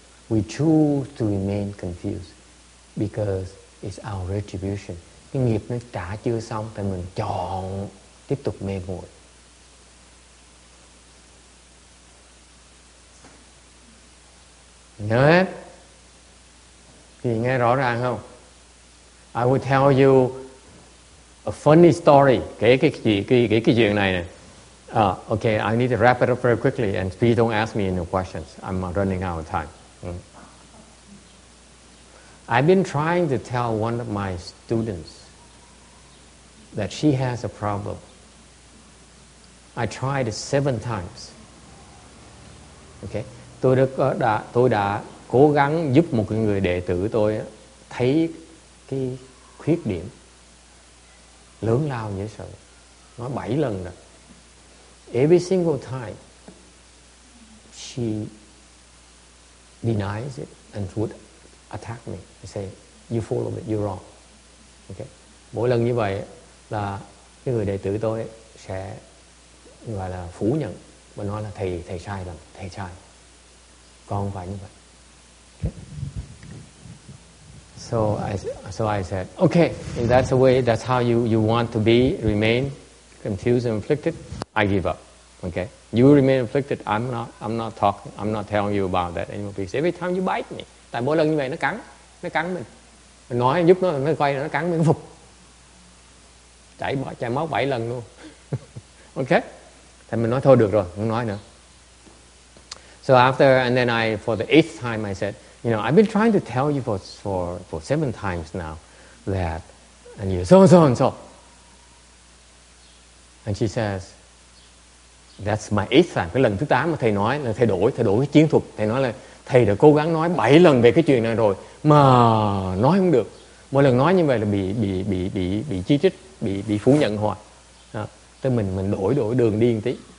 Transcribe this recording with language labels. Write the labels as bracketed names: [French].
[English] We choose to remain confused because it's our retribution. [Vietnamese] Cái nghiệp nó trả chưa xong thì mình chọn tiếp tục mê muội. Nhớ hết? Thì nghe rõ ràng không? [English] I will tell you a funny story. [Vietnamese] Cái chuyện này nè. [English] Okay, I need to wrap it up very quickly and please don't ask me any questions. I'm running out of time. I've been trying to tell one of my students that she has a problem. I tried 7 times. Okay? [Vietnamese] Tôi đã cố gắng giúp một người đệ tử tôi thấy cái khuyết điểm lớn lao như sợ. Nói 7 lần rồi. [English] Every single time she denies it and would attack me. I say, you follow it, you're wrong. Okay. [Vietnamese] Mỗi lần như vậy là cái người đệ tử tôi sẽ gọi là phủ nhận và nói là thầy sai lầm, thầy sai. Con không phải như vậy. Okay. [English] So I said, okay, if that's the way, that's how you want to be, remain confused and afflicted, I give up. Okay. You remain afflicted, I'm not telling you about that anymore. Because every time you bite me, [Vietnamese] tại mỗi lần như vậy nó cắn mình. Mình nói giúp nó quay nó cắn mình phục. Chảy máu 7 lần luôn. Okay? Thì mình nói thôi được rồi, không nói nữa. [English] So after, and then I, for the 8th time I said, you know, I've been trying to tell you for 7 times now that, and you so and so and so. And she says, that's my 8th time. [Vietnamese] Cái lần thứ 8 mà thầy nói là thay đổi cái chiến thuật. Thầy nói là, thầy đã cố gắng nói 7 lần về cái chuyện này rồi mà nói không được. Mỗi lần nói như vậy là bị chỉ trích, bị phủ nhận hoài. Tức mình đổi đường đi một tí.